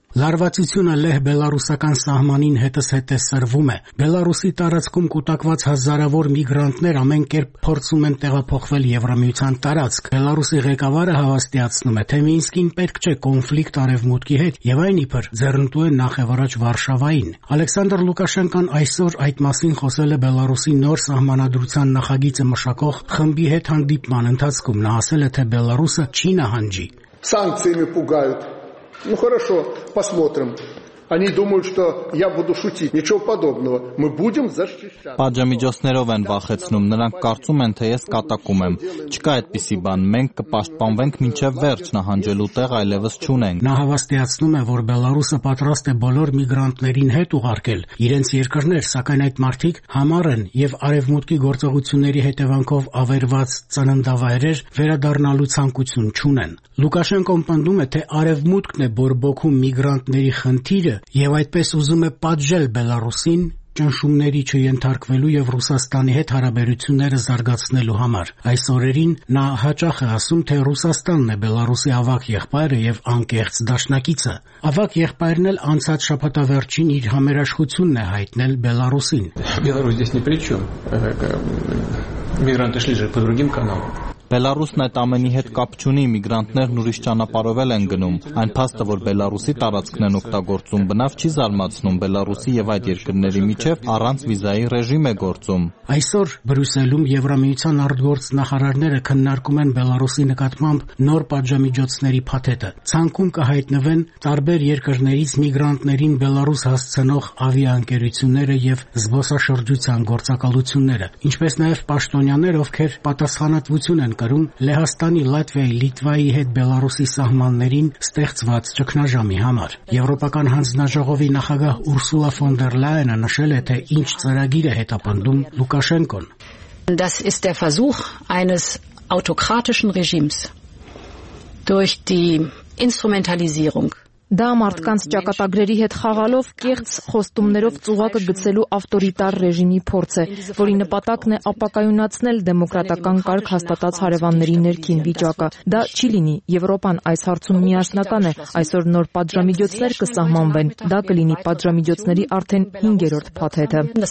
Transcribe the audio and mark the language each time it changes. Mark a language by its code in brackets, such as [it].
[hy] Լարվածությունը Լեհ-Բելարուսական սահմանին հետս-հետե սրվում է։ Բելարուսի տարածքում կուտակված հազարավոր միգրանտներ ամեն կերպ փորձում են տեղափոխվել Եվրամիության տարածք։ Բելարուսի ղեկավարը հավաստիացնում է, թե Մինսկին պետք չէ կոնֆլիկտ արևմուտքի հետ, եւ այն իբր ձեռնտու է նախևառաջ Վարշավային։ Ալեքսանդր Լուկաշենկան այսօր այդ մասին խոսել է Բելարուսի նոր սահմանադրության նախագիծը մշակող խմբի հետ հանդիպման ընթացքում։ Նա ասել է, թե Բելարուսը չի նահանջի։ [ru] Սանկցիями пугают. Ну хорошо, посмотрим. Они думают, что я буду шутить. Ничего подобного. Мы будем защищать. [hy] Պատժամիջոցներով են վախեցնում, նրանք կարծում են, թե ես կատակում եմ։ Չկա այդպիսի բան, մենք կպաշտպանվենք մինչև վերջ, նահանջելու տեղ այլևս չունենք։ Նա հավաստիացնում է, որ Բելարուսը պատրաստ է բոլոր միգրանտներին հետ ուղարկել իրենց երկրներ, սակայն այդ մարդիկ համառ են եւ արևմուտքի գործողությունների հետևանքով ավերված ծննդավայրեր վերադառնալու ցանկություն չունեն։ Լուկաշենկոն պնդում է, թե արևմուտքն է բորբոքում միգրանտների խնդիրը, և այդպես ուզում է պատժել Բելարուսին ճնշումների չընդարկվելու և Ռուսաստանի հետ հարաբերությունները զարգացնելու համար։ Այս օրերին նա հաճախ է ասում, թե Ռուսաստանն է Բելարուսի ավակ եղբայրը և անկեղծ դաշնակիցը։ Ավակ եղբայրն էլ անցած շաբաթավերջին իր համերաշխությունն է հայտնել Բելարուսին։ [ru] Բելարուս здесь ни при чём. Мигранты шли же по другим каналам. [hy] Բելարուսն այդ ամենի հետ կապ չունի, միգրանտներն ուրիշ ճանապարհով են գնում։ Այն փաստը, որ Բելարուսի տարածքն են օգտագործում, բնավ չի զարմացնում, Բելարուսի եւ այդ երկրների միջև առանց վիզայի ռեժիմ է գործում։ Այսօր Բրյուսելում Եվրամիության արտգործ նախարարները քննարկում են Բելարուսի նկատմամբ նոր պատժամիջոցների փաթեթը։ Ցանկում կհայտնվեն տարբեր երկրներից միգրանտներին Բելարուս հասցնող ավիաընկերությունները եւ զբոսաշրջության գործակալությունները, ինչպես նաեւ պաշտոնյաներ, ովքեր պատասխանատվություն են կրում Լեհաստանի, Լատվիայի, Լիտվայի հետ Բելարուսի սահմաններին ստեղծված ճգնաժամի համար։ Եվրոպական հանձնաժողովի նախագահ Ուրսուլա ֆոն դեր Լայենը նշել է, թե ինչ ծրագիր է հետապնդում Լուկաշենկոն։ [de] Das ist der Versuch eines autokratischen Regimes durch die Instrumentalisierung. [hy] Դա մարդկանց ճակատագրերի հետ խաղալով, կեղծ խոստումներով ծուղակը գցելու ավտորիտար ռեժիմի փորձ է, որի նպատակն է ապակայունացնել դեմոկրատական կարգ հաստատած հարևանների ներքին վիճակը։ Դա չի լինի, Եվրոպան այս հարցում միասնական է, այսօր նոր պատժամիջոցներ կսահմանվեն, դա կլինի պատժամիջոցների արդեն 5-րդ փաթեթը։